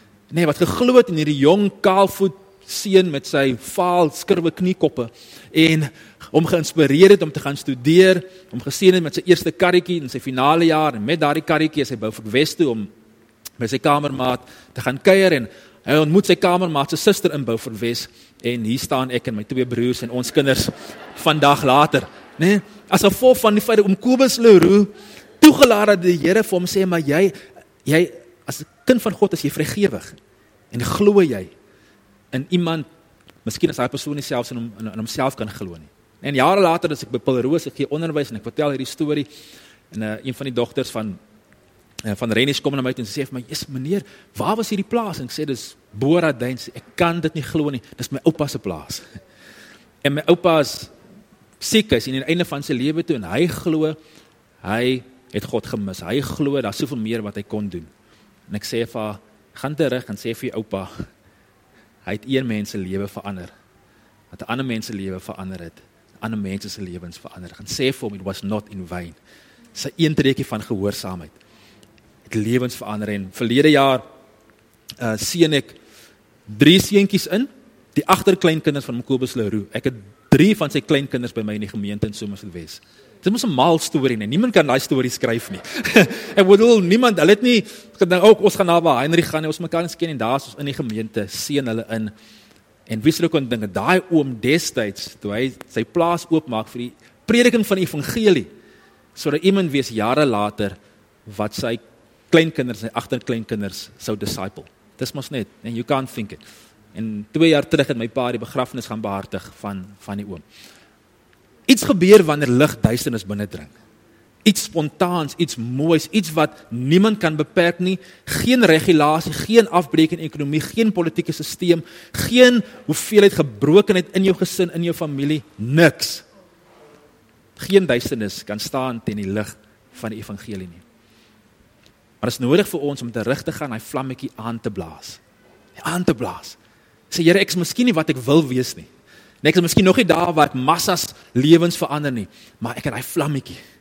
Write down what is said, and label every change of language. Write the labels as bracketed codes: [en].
[af] Nee, wat geglo het in hierdie jong kaalvoet seun met sy vaal skurwe kniekoppe en hom geïnspireer het om te gaan studeer, hom geseën het met sy eerste karretjie in sy finale jaar en met daardie karretjie is hy Beaufort West toe om met sy kamermaat te gaan kuier en hy ontmoet sy kamermaat, sy suster in Beaufort West en hier staan ek en my twee broers en ons kinders vandag later. Nee, as gevolg van die feit om Kobus Leroux toegelaat dat die Here vir hom sê, maar jy as kind van God is jy vrygewig en glo jy in iemand, miskien as hy persoon nie selfs in homself kan glo nie. En jare later, as ek by Pilroos, ek gee onderwijs en ek vertel hierdie story, en een van die dochters van Rennies kom na my uit en sê vir my, Jesus meneer, waar was hierdie plaas? En ek sê, dis Bora Duin, ek kan dit nie glo nie, dis my opa se plaas. En my opa is siek is, en in die einde van sy lewe toe, en hy glo, hy het God gemis, hy glo, daar is soveel meer wat hy kon doen. En ek sê vir haar, gaan terug en sê vir jou opa, hy het een mens se lewe verander, wat 'n ander mens se lewe verander het, ander mense se lewens verander. En sê vir hom, [en] it was not in vain. [af] Sy een trekkie van gehoorsaamheid. Het lewens verander. En verlede jaar sien ek 3 seentjies in, die agterkleinkinders van Kobus Leroux. Ek het 3 van sy kleinkinders by my in die gemeente in Somerset West. Dit is 'n maal story nie. Niemand kan daai story skryf nie. Ek bedoel, niemand, hulle het nie gedink, ook, ons gaan na waar Heinrich gaan, ons mekaar ken, en daar is ons in die gemeente, sien hulle in. En wie sê ook, dink, daai oom destijds, toe hy sy plaas oopmaak vir die prediking van die evangelie, sodat iemand wees jare later, wat sy kleinkinders, sy agterkleinkinders, sou disciple. Dit is mos net, [en] and you can't think it. [af] En 2 jaar terug het my pa die begrafnis gaan behartig van die oom. Iets gebeur wanneer lig duisternis binnendring. Iets spontaans, iets moois, iets wat niemand kan beperk nie. Geen regulasie, geen afbrekende ekonomie, geen politieke systeem, geen hoeveelheid gebrokenheid in jou gesin, in jou familie, niks. Geen duisternis kan staan teen die lig van die evangelie nie. Maar het is nodig vir ons om terug te gaan, die vlammetjie aan te blaas. Aan te blaas. Sê, Here, ek is miskien nie wat ek wil wees nie. Nee, ek is miskien nog nie daar waar ek massas lewens verander nie, maar ek het die vlammetjie.